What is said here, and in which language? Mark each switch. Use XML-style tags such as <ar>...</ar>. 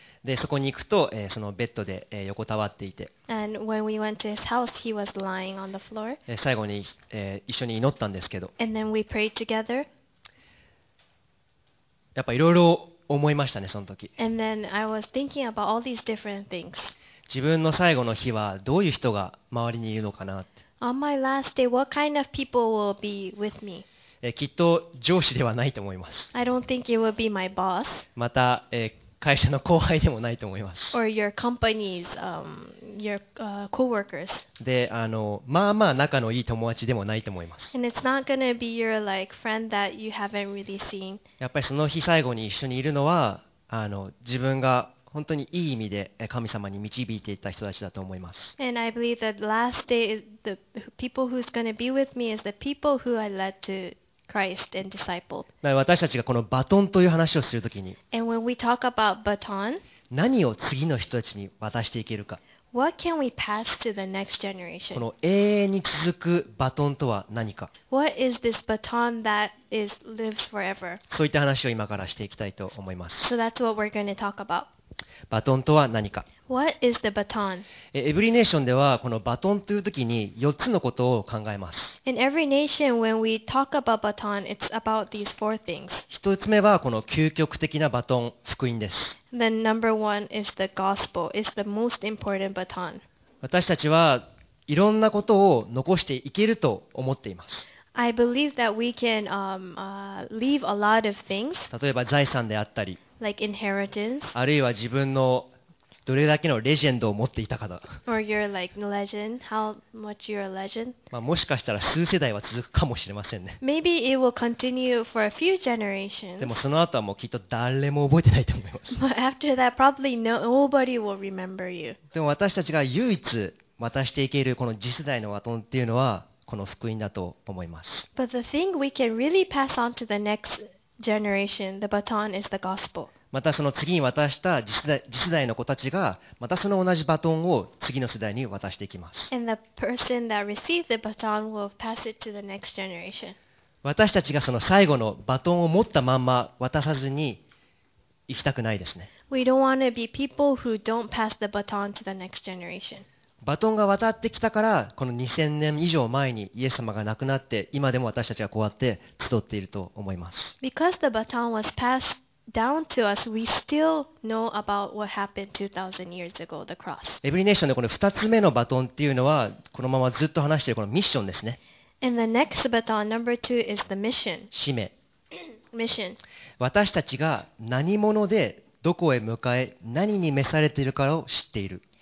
<ja>でそこに行くと、そのベッドで、横たわっていて、</ja> <en>And when we went to his house, he was lying on the floor.</en> <ja>最後に、一緒に祈ったんですけど、</ja> <en>And then we prayed together.</en> <ja>やっぱいろいろ思いましたね、その時。</ja> <en>And then I was thinking about all these different things.</en> <ja>自分の最後の日はどういう人が周りにいるのかなって。</ja> <en>On my last day, what kind of people will be with me?</en> <ja>きっと上司ではないと思います。</ja> <en>I don't think it will be my boss.</en> <ja>また、会社の後輩でもないと思います。</ja> <en>Or your company's, your, coworkers.</en> <ja>で、まあまあ仲のいい友達でもないと思います。</ja> <en>And it's not gonna be your, like, friend that you haven't really seen.</en> <ja>やっぱりその日最後に一緒にいるのは、自分が本当にいい意味で神様に導いていた人たちだと思います。</ja> <en>And I believe that last day is the people who's gonna be with me is the people who I led to. Christ and disciple.</en> <ja>私たちがこのバトンという話をするときに、</ja> <en>And when we talk about baton,</en> <ja>何を次の人たちに渡していけるか、</ja> <en>What can we pass to the next generation?</en> <ja>この永遠に続くバトンとは何か、</ja> <en>What is this baton that is, lives forever?</en> <ja>そういった話を今からしていきたいと思います。</ja> <en>So that's what we're going to talk about.</en> <ja>バトンとは何か。</ja> <en>What is the baton?</en> <ja>エブリネーションではこのバトンというときに4つのことを考えます。</ja> <en>In every nation, when we talk about baton, it's about these four things.</en> <ja>1つ目はこの究極的なバトン、福音です。</ja> <en>Then number one is the gospel. It's the most important baton.</en> <ja>私たちはいろんなことを残していけると思っています。</ja> <en>I believe that we can leave a lot of things.</en> <ja>例えば財産であったり、</ja> <en>like inheritance.</en> <ja>あるいは自分のどれだけのレジェンドを持っていたかだ。</ja> <en>Or you're like legend. How much you're a legend?</en> <ja>まあもしかしたら数世代は続くかもしれませんね。</ja> <en>Maybe it will continue for a few generations.</en> <ja>でもその後はもうきっと誰も覚えてないと思います。</ja> <en>But after that, probably nobody will remember you.</en> <ja>でも私たちが唯一渡していけるこの次世代のバトンっていうのはこの福音だと思います。</ja> <en>But the thing we can really pass on to the next generation, the baton is the gospel.</en> <ja>またその次に渡した次世代の子たちがまたその同じバトンを次の世代に渡していきます。</ja> <en>And the person that received the baton will pass it to the next generation.</en> <ja>私たちがその最後のバトンを持ったまんま渡さずに行きたくないですね。</ja> <en>We don't want to be people who don't pass the baton to the next generation.</en> <ja>バトンが渡ってきたからこの2000年以上前にイエス様が亡くなって今でも私たちはこうやって集っていると思います。</ja> <en>Because the baton was passed down to us, we still know about what happened 2000 years ago, the cross.</en> <ja>エブリネーションでこの2つ目のバトンっていうのはこのままずっと話しているこのミッションですね。</ja> <en>And the next baton, number two, is the mission.</en> <ja>使命。</ja> <en>Mission.</en> <ja>私たちが何者でどこへ向かえ何に召されているかを知っている。</ja>